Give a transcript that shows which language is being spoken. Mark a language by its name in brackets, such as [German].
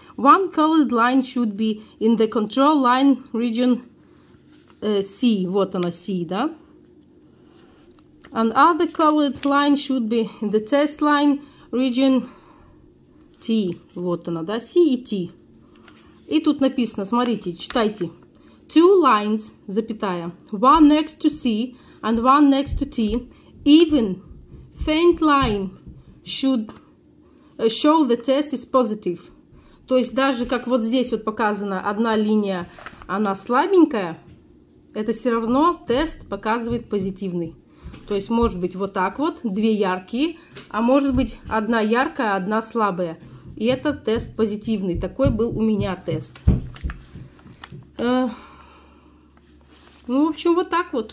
[English] One colored line should be in the control line region C. [Russian] Вот она, C, да? [English] And other colored line should be in the test line region T. [Russian] Вот она, да? C и T. И тут написано, смотрите, читайте. [English] Two lines, запятая. One next to C and one next to T. Even faint line should show the test is positive. [Russian] То есть даже как вот здесь вот показано, одна линия, она слабенькая, это все равно тест показывает позитивный. То есть может быть вот так вот, две яркие, а может быть одна яркая, одна слабая. И это тест позитивный. Такой был у меня тест. Ну, в общем, вот так вот.